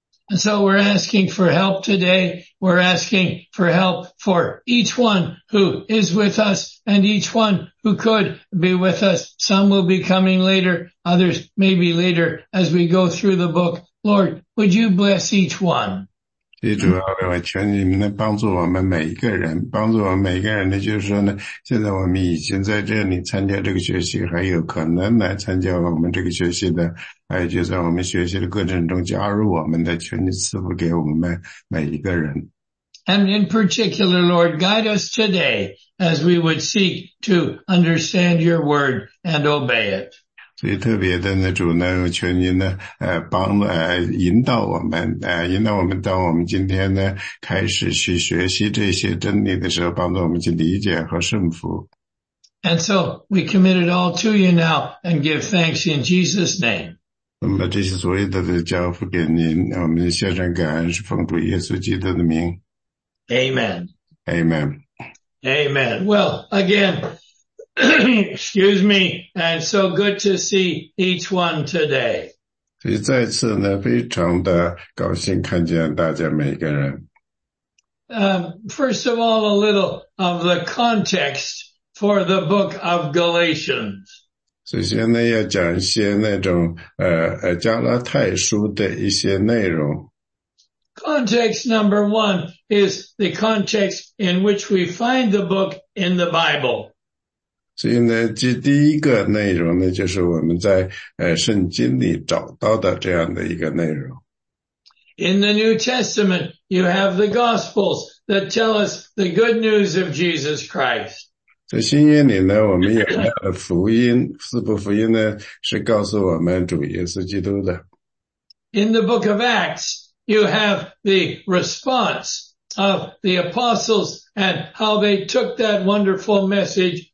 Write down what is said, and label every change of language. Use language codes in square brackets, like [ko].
[en] And so we're asking for help today. We're asking for help for each one who is with us and each one who could be with us. Some will be coming later. Others may be later as we go through the book. Lord, would you bless each one? [zh] 所以主要我求你们能帮助我们每一个人，帮助我们每一个人呢，就是说呢，现在我们已经在这里参加这个学习，还有可能来参加我们这个学习的，还有就在我们学习的过程中加入我们的，求你赐福给我们每一个人。 [en] And in particular, Lord, guide us today as we would seek to understand your word and obey it. [zh] 所以特别的呢，主呢，求您呢，帮引导我们，引导我们，当我们今天呢开始去学习这些真理的时候，帮助我们去理解和顺服。 [en] And so we commit it all to you now and give thanks in Jesus' name. [zh] 我们把这些所有的都交付给您，我们献上感恩，是奉主耶稣基督的名。 [en] Amen. Amen. Amen. Well, again. Excuse me, and so good to see each one today. [zh] 所以再次呢，非常的高兴看见大家每个人。 [en] First of all, a little of the context for the book of Galatians. [zh] 首先呢，要讲一些那种加拉太书的一些内容。 [en] Context number one is the context in which we find the book in the Bible. [zh] 所以呢，这第一个内容呢，就是我们在圣经里找到的这样的一个内容。 [en] In the New Testament, you have the Gospels that tell us the good news of Jesus Christ. [zh] 在新约里呢，我们有福音，四部福音呢，是告诉我们主耶稣基督的。 [en] In the book of Acts, you have the response of the apostles and how they took that wonderful message.